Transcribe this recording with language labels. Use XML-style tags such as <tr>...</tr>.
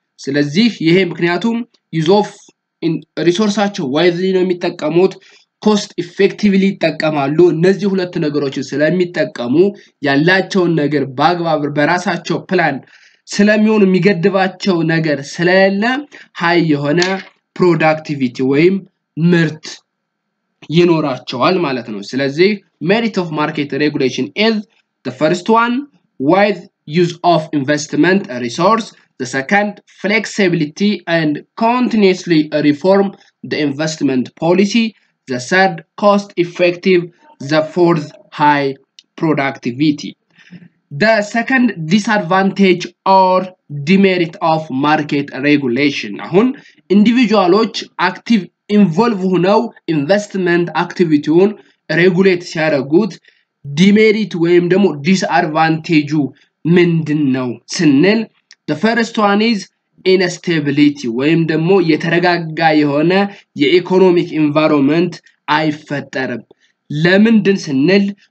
<am>ስለዚህ ይሄ ምክንያቱም use of ሪሶርሳቸው wisely ነው የሚጠቀሙት cost effectively ይጠቀማሉ። እነዚህ ሁለት ነገሮችን ስለሚጠቀሙ ያላቸውን ነገር በአግባብ በራሳቸው ፕላን ስለሚሆኑ የሚገድባቸው ነገር ስለሌለ ሃይ የሆነ productivity ወይም ምርት ይኖራቸዋል ማለት ነው። ስለዚህ</am> <en>merit of market regulation is the first one, wise use of investment resource. The second, flexibility and continuously reform the investment policy. The third, cost effective. The fourth, high productivity. The second disadvantage or demerit of market regulation.</en> <am>አሁን individualዎች active involve ሆነው investment activityውን regulate ሲያደርጉት demerit ወይም ደግሞ disadvantageው ምንድን ነው ስንል</am> <en>the first one is instability</en> <am>ወይም ደግሞ የተረጋጋ የሆነ የኢኮኖሚክ ኢንቫይሮንመንት አይፈጠርም። ለምንድን ስንል</am>